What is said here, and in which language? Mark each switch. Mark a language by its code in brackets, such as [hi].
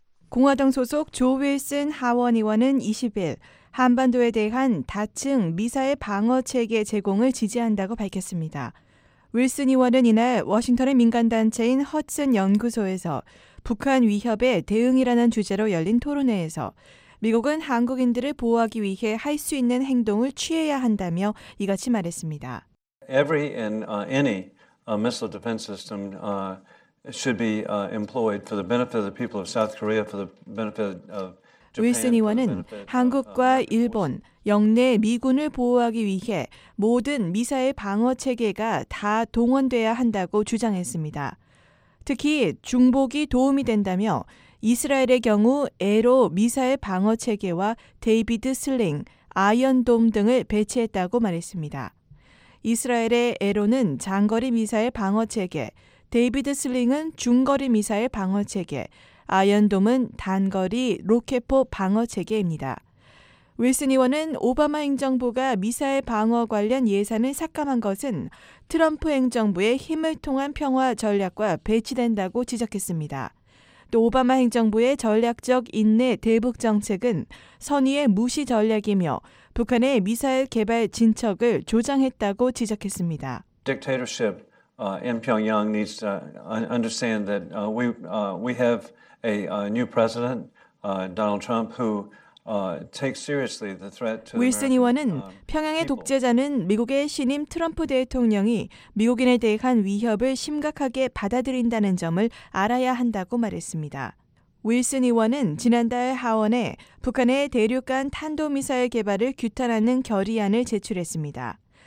[ko] 공화당 소속 조 윌슨 하원의원은 20일 한반도에 대한 다층 미사일 방어 체계 제공을 지지한다고 밝혔습니다. 윌슨 의원은 이날 워싱턴의 민간단체인 허튼 연구소에서 북한 위협에 대응이라는 주제로 열린 토론회에서 미국은 한국인들을 보호하기 위해 할 수 있는 행동을 취해야 한다며 이같이 말했습니다. [en] Every and any missile defense system should be employed for the benefit of the people of South Korea, for the benefit of [ko] 윌슨 의원은 한국과 일본, 영내 미군을 보호하기 위해 모든 미사일 방어 체계가 다 동원돼야 한다고 주장했습니다. 특히 중복이 도움이 된다며 이스라엘의 경우 에로 미사일 방어 체계와 데이비드 슬링, 아이언돔 등을 배치했다고 말했습니다. 이스라엘의 에로는 장거리 미사일 방어 체계, 데이비드 슬링은 중거리 미사일 방어 체계, 아이언돔은 단거리 로켓포 방어 체계입니다. 윌슨 의원은 오바마 행정부가 미사일 방어 관련 예산을 삭감한 것은 트럼프 행정부의 힘을 통한 평화 전략과 배치된다고 지적했습니다. 또 오바마 행정부의 전략적 인내 대북 정책은 선의의 무시 전략이며 북한의 미사일 개발 진척을 조장했다고 지적했습니다. [en] Dictatorship in Pyongyang needs to understand that we have a new president Donald Trump who takes seriously the threat to the people. [ko] 윌슨 의원은 평양의 독재자는 미국의 신임 트럼프 대통령이 미국인에 대한 위협을 심각하게 받아들인다는 점을 알아야 한다고 말했습니다. 윌슨 의원은 지난달 하원에 북한의 대륙간 탄도미사일 개발을 규탄하는 결의안을 제출했습니다.